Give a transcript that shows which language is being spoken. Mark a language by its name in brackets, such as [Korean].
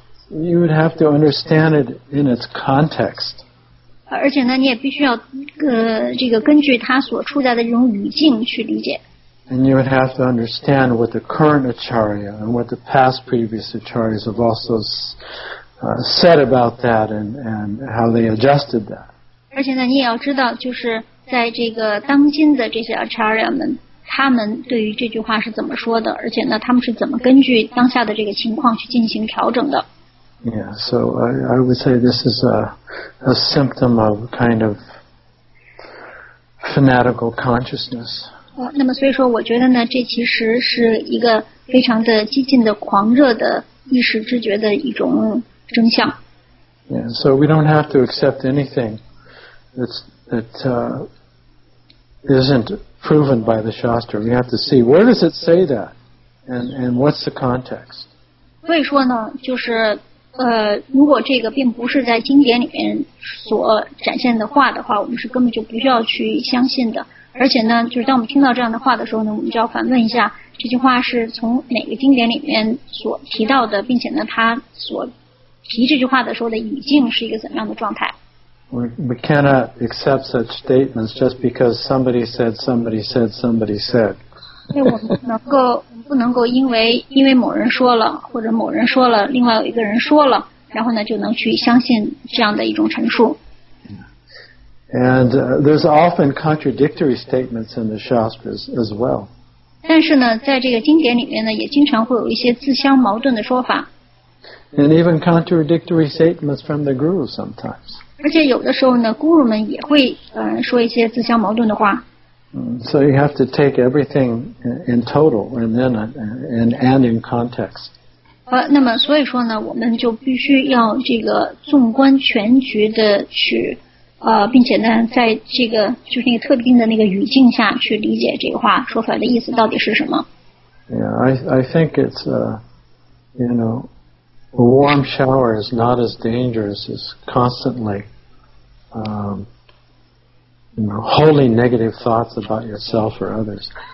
[English] you would have to understand it in its context. [Chinese] 而且呢，你也必须要这个根据它所处在的这种语境去理解。 [English] And you would have to understand what the current acharya and what the past previous acharyas have also said about that and how they adjusted that. [Chinese] 而且呢，你也要知道，就是在这个当今的这些 acharya 们，他们对于这句话是怎么说的，而且呢，他们是怎么根据当下的这个情况去进行调整的。 [English] Yeah, so I would say this is a symptom of kind of fanatical consciousness. [Chinese] 那么所以说我觉得呢这其实是一个非常的激进的狂热的一时之觉的一种真相 [English] Yeah, so we don't have to accept anything that isn't proven by the Shastra. We have to see where does it say that and what's the context? [Chinese] 所以说呢就是如果这个并不是在经典里面所展现的话的话我们是根本就不需要去相信的而且呢就是当我们听到这样的话的时候呢我们就要反问一下这句话是从哪个经典里面所提到的并且呢他所提这句话的时候的语境是一个怎样的状态 [English] We cannot accept such statements just because somebody said somebody said somebody said [Chinese] 对我们能够不能够因为某人说了或者某人说了另外有一个人说了然后呢就能去相信这样的一种陈述 [English] and there's often contradictory statements in the Shastras as well [Chinese] 但是呢在这个经典里面呢也经常会有一些自相矛盾的说法 [English] and even contradictory statements from the Guru sometimes [Chinese] 而且有的时候呢 Guru 们也会说一些自相矛盾的话 [English] So you have to take everything in total and then and in context. [Chinese] 那么所以说呢我们就必须要这个纵观全局的去并且呢在这个就是那个特定的那个语境下去理解这个话说出来的意思到底是什么。 [English] Yeah, I think it's, you know, a warm shower is not as dangerous as constantly, wholly negative thoughts about yourself or others.